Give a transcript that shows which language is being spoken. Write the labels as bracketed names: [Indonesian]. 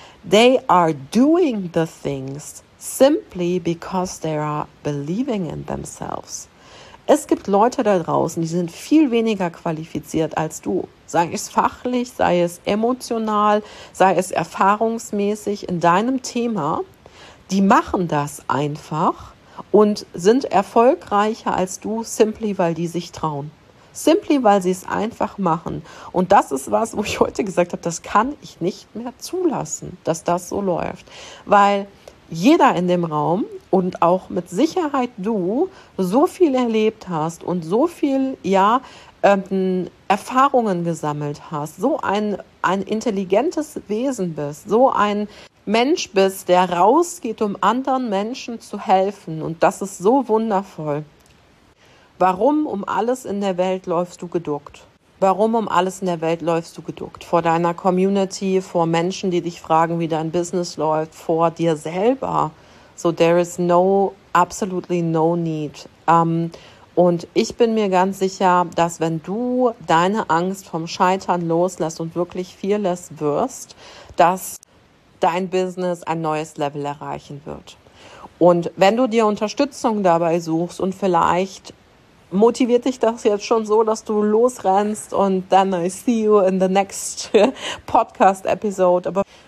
[English] They are doing the things simply because they are believing in themselves. [German] Es gibt Leute da draußen, die sind viel weniger qualifiziert als du. Sei es fachlich, sei es emotional, sei es erfahrungsmäßig in deinem Thema. Die machen das einfach und sind erfolgreicher als du, simply weil die sich trauen. Simply, weil sie es einfach machen. Und das ist was, wo ich heute gesagt habe, das kann ich nicht mehr zulassen, dass das so läuft. Weil jeder in dem Raum und auch mit Sicherheit du so viel erlebt hast und so viel, ja, Erfahrungen gesammelt hast, so ein intelligentes Wesen bist, so ein Mensch bist, der rausgeht, um anderen Menschen zu helfen. Und das ist so wundervoll. Warum um alles in der Welt läufst du geduckt? Warum um alles in der Welt läufst du geduckt? Vor deiner Community, vor Menschen, die dich fragen, wie dein Business läuft, vor dir selber. [English] So there is no, absolutely no need. [German] Und ich bin mir ganz sicher, dass wenn du deine Angst vom Scheitern loslässt und wirklich fearless wirst, dass dein Business ein neues Level erreichen wird. Und wenn du dir Unterstützung dabei suchst und vielleicht motiviert dich das jetzt schon so, dass du losrennst und [English] then I see you in the next Podcast-Episode. [German] Aber